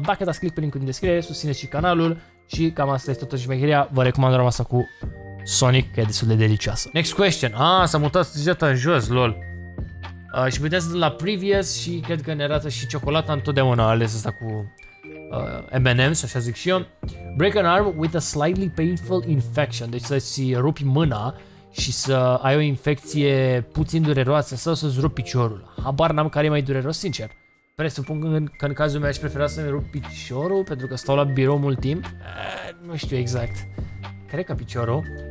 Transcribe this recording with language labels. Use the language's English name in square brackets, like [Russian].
[Romanian] Dacă dați click pe linkul din descriere, susțineți și canalul și cam asta este toată șmecheria. Vă recomand rămasa cu Sonic, că e destul de delicioasă. [English] Next question. [Romanian] S-a mutat zeta în jos, lol. Și putem să dăm la previous și cred că ne arată și ciocolata întotdeauna, ales asta cu... M&M's, așa zic și eu. [English] Break an arm with a slightly painful infection. [Romanian] Deci să-ți rupi mâna și să ai o infecție puțin dureroasă sau să-ți rupi piciorul. Habar n-am care e mai dureros, sincer. Presupun că în cazul meu aș prefera să-mi rup piciorul pentru că stau la birou mult timp. Nu știu exact. Cred că piciorul.